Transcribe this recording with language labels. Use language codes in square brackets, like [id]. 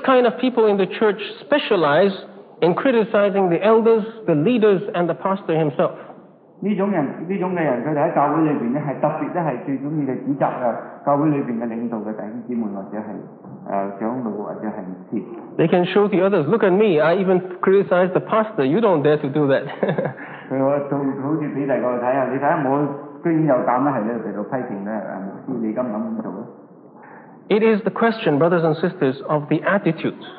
[en] kind of people in the church specialize in criticizing the elders, the leaders, and the pastor himself. [yue] 这种人，这种嘅人，佢哋喺教会里边咧，系特别咧，系最中意嘅指责啊，教会里边嘅领导嘅弟兄姊妹或者系长老或者系牧师。 [en] They can show the others, look at me, I even criticize the pastor, you don't dare to do that. [yue] 佢話仲好似俾大家睇下，你睇下我居然又膽咧，係咧嚟到批評咧，牧師你咁樣做咧。 [en] It is the question, brothers and sisters, of the attitude.